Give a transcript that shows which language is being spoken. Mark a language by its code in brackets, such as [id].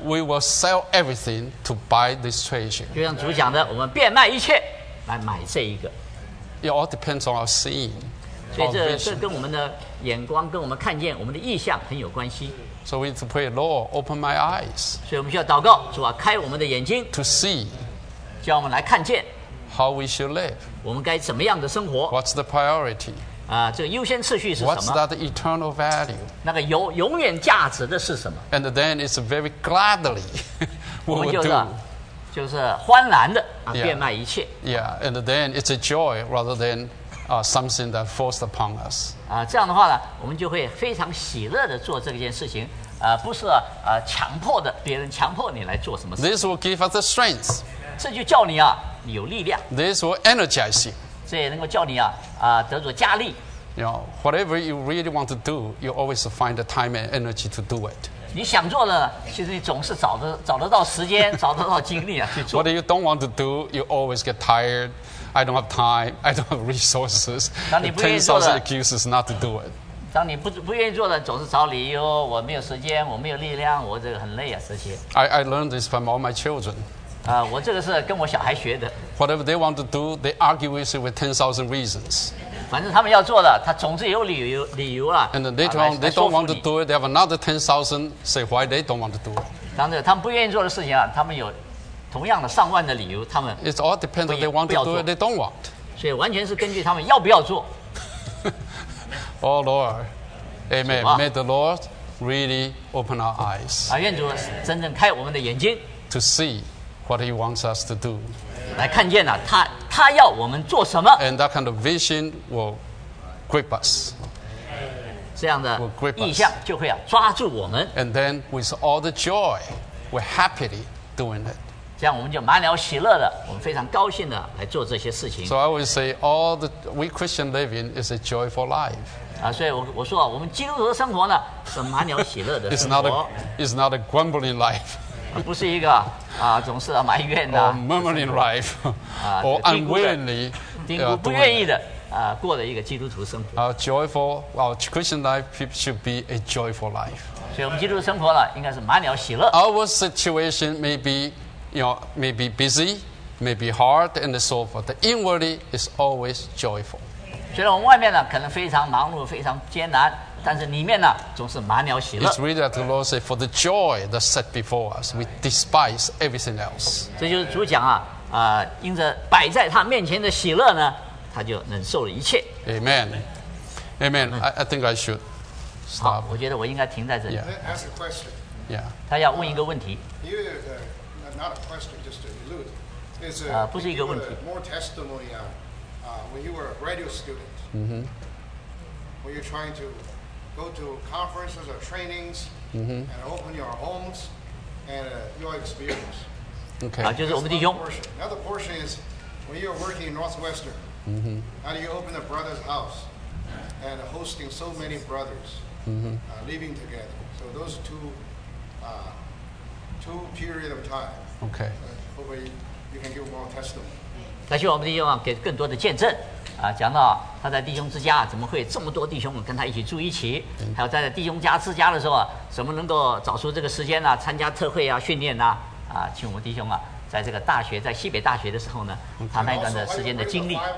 [en] we will sell everything to buy this treasure. [zh] 就像主讲的，我们变卖一切来买这一个 [en] It all depends on our seeing. [zh] 所以这跟我们的眼光，跟我们看见我们的意象很有关系。 [en] So we need to pray, Lord, open my eyes. [zh] 所以我们需要祷告，主啊，开我们的眼睛。 [en] To see, [zh] 叫我们来看见。 [en] How we should live, [zh] 我们该怎么样的生活 [en] ？What's the priority? [zh] 这个优先次序是什么 [en] ？What's that eternal value? [zh] 那个永远价值的是什么 [en] ？And then it's very gladly, we will do. [zh] 就是欢然的变卖一切。 [en] Yeah, and then it's a joy rather than. Something that forced upon us. [zh] 这样的话呢，我们就会非常喜乐的做这件事情。不是强迫的，别人强迫你来做什么事。 [en] This will give us the strength. [zh] 这就叫你你有力量。 [en] This will energize you. [zh] 这也能够叫你得着加力。 [en] You know, whatever you really want to do, you always find the time and energy to do it. [zh] 你想做的，其实你总是找得到时间，找得到精力去做。 [en] What you don't want to do, you always get tired. I don't have time. I don't have resources. [zh] 当你不愿意做的 [en] ，tens of excuses not to do it. [zh] 当你不愿意做的，总是找理由。我没有时间，我没有力量，我这个很累啊，这些。 [en] I learned this from all my children. [zh] 我这个是跟我小孩学的。 [en] Whatever they want to do, they argue with you with 10,000 reasons. [zh] 反正他们要做的，他总是有理由啊。 [en] And later on, they don't want to do it. They have another 10,000 say why they don't want to do it. [zh] 当这个他们不愿意做的事情啊，他们有。同样的上万的理由，他们 [en] It all depends on they want to do it, they don't want. [zh] 所以完全是根据他们要不要做。 [en] Oh Lord, Amen. May the Lord really open our eyes. [zh] 愿主真正开我们的眼睛。 [en] To see what He wants us to do. [zh] 来看见了他要我们做什么。 [en] And that kind of vision will grip us. [zh] 这样的意象就会抓住我们。 [en] And then with all the joy, we're happily doing it. [zh] 这样我们就满了喜乐的，我们非常高兴的来做这些事情。 [en] So I would say all the we Christian living is a joyful life. [zh] 所以我说我们基督徒生活呢是满了喜乐的生活。 [en] It's not a grumbling life. [zh] 不是一个总是埋怨的。 [en] Or murmuring life. Or unwillingly. [zh] 不愿意的过了一个基督徒生活。 [en] Our Christian life should be a joyful life. [zh] 所以我们基督徒生活呢应该是满了喜乐。 [en] Our situation may be. You know, maybe busy, maybe hard, and so forth. The inwardly is always joyful. [zh] 虽然我们外面呢可能非常忙碌、非常艰难，但是里面呢总是满了喜乐。 [en] It's really that the Lord said, for the joy that's set before us, we despise everything else. [zh] 这就是主讲因着摆在他面前的喜乐呢，他就忍受了一切。 [en] Amen. Amen. I think I should stop. [zh] 我觉得我应该停在这里。 [en] Yeah. Ask a question. Yeah. [zh] 他要问一个问题。 [en] Not a question, just an allusion. Is a, [zh] 不是一个问题 [en] more testimony on when you were a graduate student. Mm-hmm. Were you trying to go to conferences or trainings mm-hmm. and open your homes and your experience? Okay. [zh] 就是我们弟兄 [en] Another portion is when you were working in Northwestern. Mm-hmm. How do you open a brother's house and hosting so many brothers mm-hmm. Living together? So those two. Two period of time. Okay. Hopefully you can give more testimony. [zh] 感谢我们的弟兄啊，给更多的见证啊，讲到他在弟兄之家怎么会这么多弟兄跟他一起住一起，还有在弟兄家之家的时候啊，怎么能够找出这个时间呢、啊？参加特会啊，训练呐、啊，啊，请我们弟兄啊，在这个大学，在西北大学的时候呢，他那段的时间的经历。